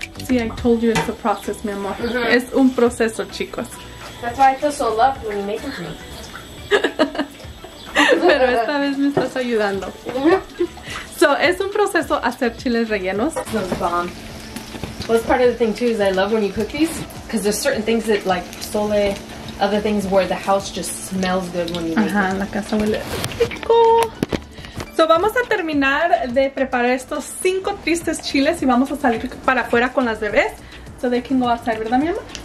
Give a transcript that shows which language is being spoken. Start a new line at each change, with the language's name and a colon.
English: I told you it's a process,
Spanish: mi amor. Mm-hmm. Es un proceso, chicos.
English: That's why I feel so loved when you make it for me.
Spanish: Pero esta vez me estás ayudando. Mm-hmm. So, es un proceso hacer chiles rellenos.
English: This is bomb. Well, that's part of the thing, too, is I love when you cook these. Because there's certain things that, like, sole, other things where the house just smells good when you make
Spanish: it. Ajá, la casa huele rico. So, vamos a terminar de preparar estos 5 tristes chiles y vamos a salir para afuera con las bebés.
English: So they can go outside,
Spanish: ¿verdad, mi amor?